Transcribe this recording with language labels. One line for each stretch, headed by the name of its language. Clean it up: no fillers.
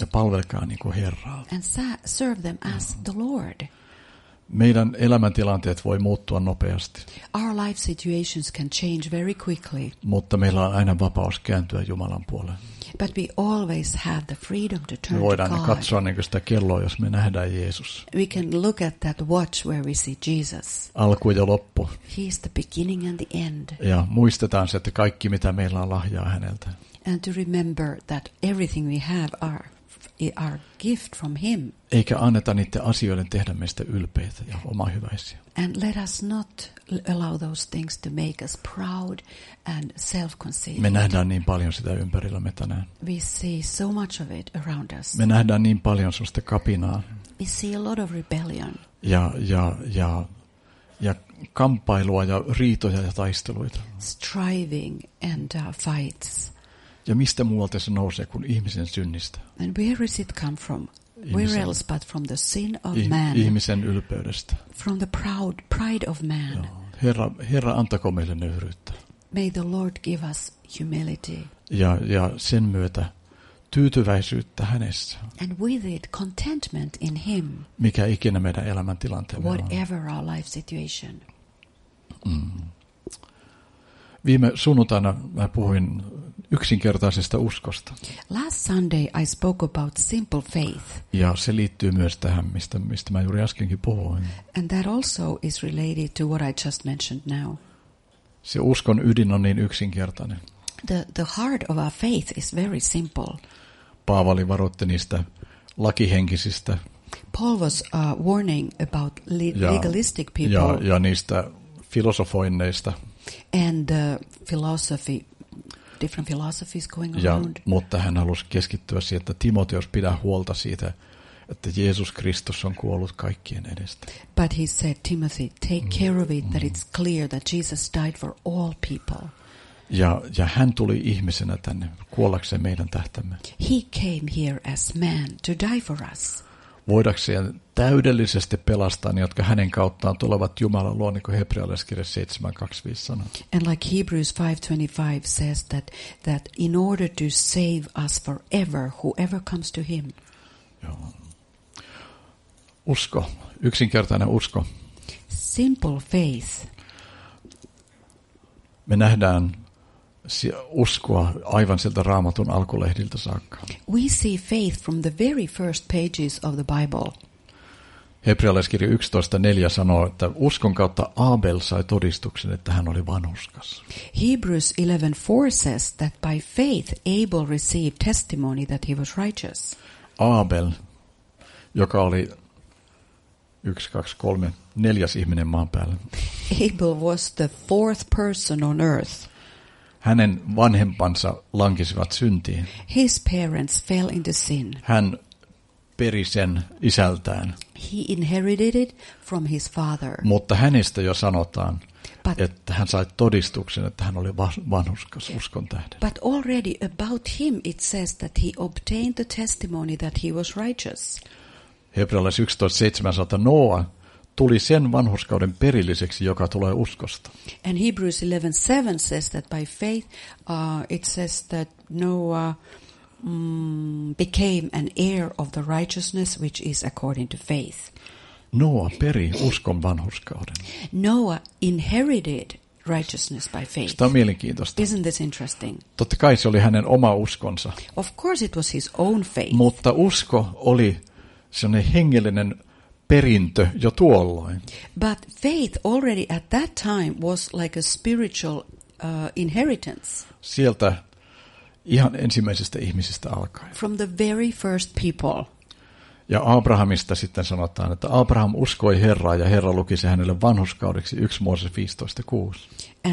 Finnish: Ja palvelkaa niin kuin Herraa.
English: And serve them as the Lord.
Finnish: Meidän elämäntilanteet voi muuttua nopeasti.
English: Our life situations can change very quickly.
Finnish: Mutta meillä on aina vapaus kääntyä Jumalan puoleen.
English: But we always have the freedom to turn to God.
Finnish: Me voidaan katsoa niin kuin sitä kelloa, jos me nähdään Jeesus.
English: We can look at that watch where we see Jesus.
Finnish: Alku ja loppu.
English: He is the beginning and the end.
Finnish: Ja muistetaan se, että kaikki mitä meillä on lahjaa häneltä.
English: And to remember that everything we have our gift from him.
Finnish: Eikä anneta niiden asioiden tehdä meistä ylpeitä ja omaa hyväisiä.
English: And let us not allow those things to make us proud and self-conceited.
Finnish: Me nähdään niin paljon sitä ympärillämme tänään.
English: We see so much of it around us.
Finnish: Me nähdään niin paljon sellaista kapinaa.
English: We see a lot of rebellion.
Finnish: Ja kamppailua ja riitoja ja taisteluita.
English: Striving and fights.
Finnish: Ja mistä muualta se nousee kuin ihmisen synnistä?
English: And where does it come from? Where else but from the sin of man?
Finnish: Ihmisen ylpeydestä.
English: From the pride of man.
Finnish: Joo. Herra, antako meille nöyryyttä.
English: May the Lord give us humility.
Finnish: Ja sen myötä tyytyväisyyttä hänessä.
English: And with it contentment in him.
Finnish: Mikä ikinä meidän elämäntilanteemme on.
English: Whatever our life situation.
Finnish: Viime sunnuntaina mä puhuin yksinkertaisesta uskosta.
English: Last Sunday I spoke about simple faith.
Finnish: Ja se liittyy myös tähän, mistä mä juuri äskenkin puhuin.
English: And that also is related to what I just mentioned now.
Finnish: Se uskon ydin on niin yksinkertainen.
English: The heart of our faith is very simple.
Finnish: Paavali varoitti niistä lakihenkisistä.
English: Paul was warning about legalistic people.
Finnish: Ja niistä filosofoinneista.
English: And the philosophy, different philosophies going around.
Finnish: Ja, mutta hän halusi keskittyä siihen, että Timoteus pidä huolta siitä, että Jeesus Kristus on kuollut kaikkien edestä.
English: But he said, Timothy, take care of it, that it's clear that Jesus died for all people.
Finnish: Ja hän tuli ihmisenä tänne, kuollakseen meidän tähtämme.
English: He came here as man to die for us.
Finnish: Voidakseen täydellisesti pelastaa ne, jotka hänen kauttaan tulevat Jumalan luo, niin kuin hebrealaiskirja 7:25 sanoo.
English: And like Hebrews 5:25 says that in order to save us forever, whoever comes to him.
Finnish: Usko, yksinkertainen usko.
English: Simple faith.
Finnish: Me nähdään uskoa aivan sieltä Raamatun alkulehdiltä saakka.
English: We see faith from the very first pages of the Bible.
Finnish: Hebrealaiskirja 11:4 sanoo, että uskon kautta Abel sai todistuksen, että hän oli vanhurskas.
English: Hebrews 11:4 says that by faith Abel received testimony that he was righteous.
Finnish: Abel, joka oli 1, 2, 3, neljäs ihminen maan päällä.
English: Abel was the fourth person on earth.
Finnish: Hänen vanhempansa lankisivat syntiin.
English: His parents fell into sin.
Finnish: Hän peri sen isältään.
English: He inherited it from his father.
Finnish: Mutta hänestä jo sanotaan, että hän sai todistuksen, että hän oli vanhurskas uskon tähden.
English: But already about him it says that he obtained the testimony that he was righteous.
Finnish: Hebrealaiskirja 11:7 sanoo, että Noa tuli sen vanhurskauden perilliseksi, joka tulee uskosta.
English: And Hebrews 11:7 says that by faith it says that Noah became an heir of the righteousness which is according to faith.
Finnish: Noah peri uskon vanhurskauden.
English: Noah inherited righteousness by faith.
Finnish: Sitä on mielenkiintoista.
English: Isn't this interesting?
Finnish: Totta kai se oli hänen oma uskonsa.
English: Of course it was his own faith.
Finnish: Mutta usko oli sellainen hengellinen perintö jo tuolloin.
English: But faith already at that time was like a spiritual inheritance.
Finnish: Sieltä ihan ensimmäisestä ihmisestä alkaen.
English: From the very first people.
Finnish: Ja Abrahamista sitten sanotaan, että Abraham uskoi Herraa ja Herra luki se hänelle vanhurskaudeksi 1 Mooses 15:6.